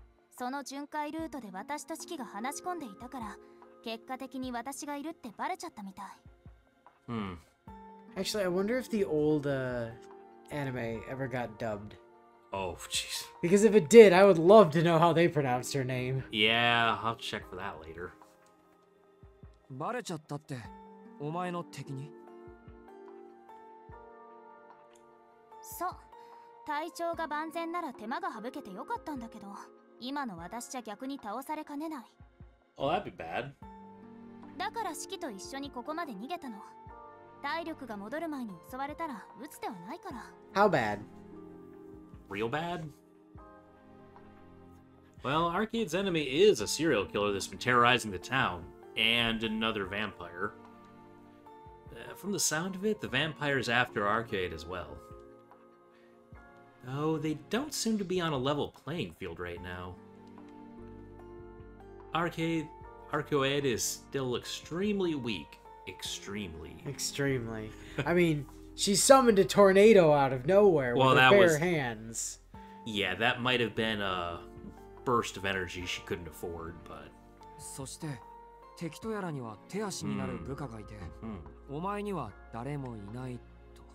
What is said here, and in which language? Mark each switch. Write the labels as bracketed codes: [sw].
[ja] その巡回ルートで私とチキが話し込んでいたから結果的に私がいるってバレちゃったみたい。 [en] Actually, I wonder if the old anime ever got dubbed. Oh, jeez. Because if it did, I would love to know how they pronounced her name. Yeah, I'll check for that later. [ja] バレちゃったってお前の敵に。そう、体調が万全なら手間が省けてよかったんだけど。今の私じゃ逆に倒されかねない。 [en] Oh, that'd be bad. [ja] だからシキと一緒にここまで逃げたの。体力が戻る前に襲われたら鬱ではないから。 [en] How bad? Real bad? Well, Arcade's enemy is a serial killer that's been terrorizing the town, and another vampire. From the sound of it, the vampire's after Arcade as well. Oh, they don't seem to be on a level playing field right now. Arcoed is still extremely weak. Extremely. Extremely. I mean, she summoned a tornado out of nowhere Well, with her that bare was. hands. Yeah, that might have been a burst of energy she couldn't afford, but. [ja] そして、敵とやらには手足になる部下がいて、お前には誰もいないと。